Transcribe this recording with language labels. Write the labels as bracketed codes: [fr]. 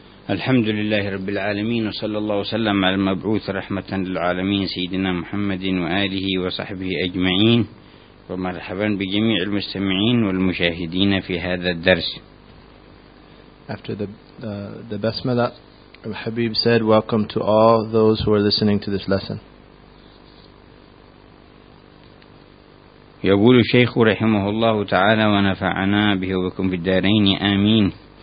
[ar] الحمد لله رب العالمين، وصلى الله وسلم على المبعوث رحمة للعالمين سيدنا محمد وآله وصحبه أجمعين، ومرحبا بجميع المستمعين والمشاهدين في هذا الدرس. [en] After the basmala, Al-Habib said, welcome to all those who are listening to this lesson. [ar] يقول الشيخ رحمه الله تعالى ونفعنا به وبكم في الدارين آمين.